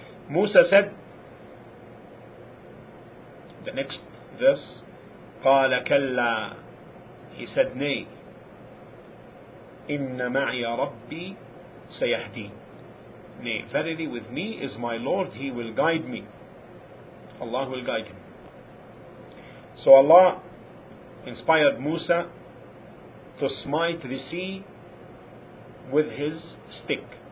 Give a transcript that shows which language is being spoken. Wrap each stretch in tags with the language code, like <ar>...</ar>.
<en>Musa said, the next verse,</en> <ar>قَالَ كَلَّا.</ar> <en>He said, nay,</en> <ar>إِنَّ مَعِيَ رَبِّي سَيَهْدِينَ.</ar> <en>Nay, verily with me is my Lord, he will guide me. Allah will guide him. So Allah inspired Musa to smite the sea with his stick.</en>